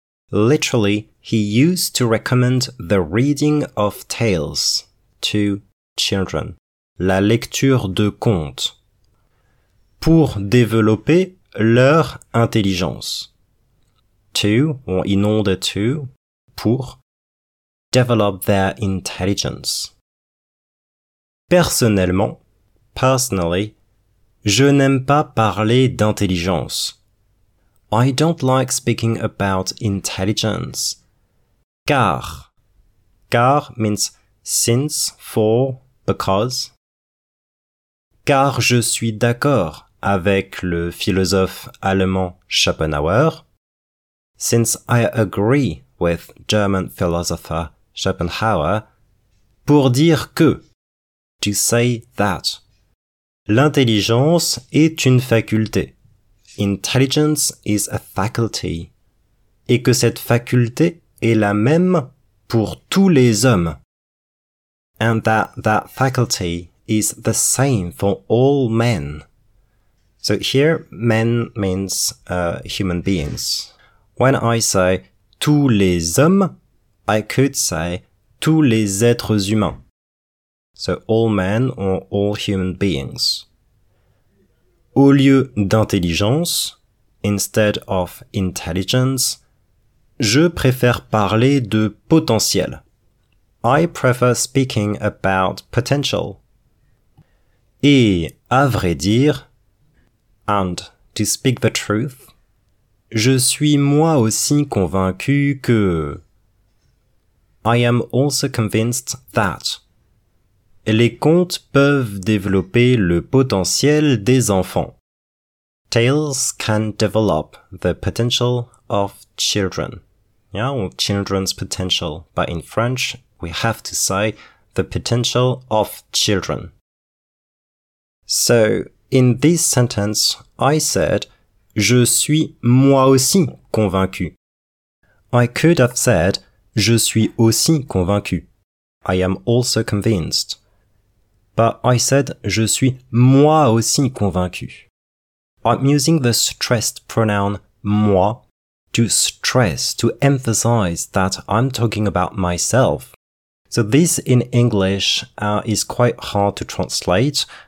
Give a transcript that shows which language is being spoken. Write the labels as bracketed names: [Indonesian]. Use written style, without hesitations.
[English] Literally, he used to recommend the reading of tales to children. [French] La lecture de contes. Pour développer leur intelligence. [English] To, or in order to, pour develop their intelligence. [French] Personnellement, [English] personally, [French] je n'aime pas parler d'intelligence. [English] I don't like speaking about intelligence. Car. Car means since, for, because. [French] Car je suis d'accord avec le philosophe allemand Schopenhauer. [English] Since I agree with German philosopher Schopenhauer. [French] Pour dire que. [English] To say that. [French] L'intelligence est une faculté. [English] Intelligence is a faculty. [French] Et que cette faculté est la même pour tous les hommes. [English] And that faculty is the same for all men. So here, men means human beings. When I say [French] tous les hommes, [English] I could say [French] tous les êtres humains. [English] So all men or all human beings. [French] Au lieu d'intelligence, [English] instead of intelligence, [French] je préfère parler de potentiel. [English] I prefer speaking about potential. [French] Et, à vrai dire, [English] and to speak the truth, [French] je suis moi aussi convaincu que... [English] I am also convinced that... [French] Les contes peuvent développer le potentiel des enfants. [English] Tales can develop the potential of children. Yeah, or children's potential. But in French, we have to say the potential of children. So, in this sentence, I said, [French] je suis moi aussi convaincu. [English] I could have said, [French] je suis aussi convaincu. [English] I am also convinced. But I said, [French] je suis moi aussi convaincu. [English] I'm using the stressed pronoun moi to stress, to emphasize that I'm talking about myself. So this in English is quite hard to translate.